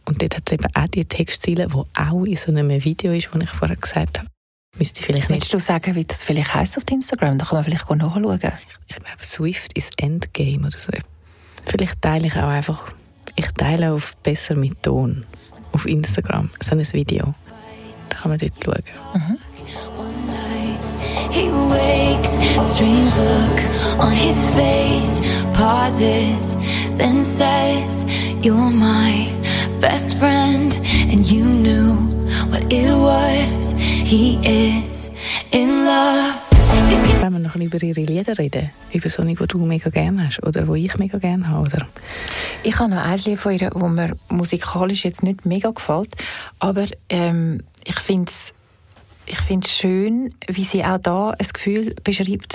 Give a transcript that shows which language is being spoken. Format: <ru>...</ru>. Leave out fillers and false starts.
<de>Und dort hat es eben auch die Textzeile, die auch in so einem Video ist, das ich vorher gesagt habe. Müsste vielleicht nicht. Willst du sagen, wie das vielleicht heisst auf Instagram? Da kann man vielleicht nachschauen. Ich glaube, Swift ist Endgame oder so. Vielleicht teile ich auch einfach, ich teile auf «Besser mit Ton» auf Instagram, so ein Video. Da kann man dort schauen.</de> <en>He wakes, strange look on his face, pauses, then says, you're my best friend, and you knew what it was, he is in love.</en> <de>Wenn wir noch ein bisschen über ihre Lieder reden, über so eine, die du mega gerne hast oder die ich mega gerne habe. Oder? Ich habe noch ein Lied von ihr, das mir musikalisch jetzt nicht mega gefällt, aber ich finde es schön, wie sie auch da ein Gefühl beschreibt.</de>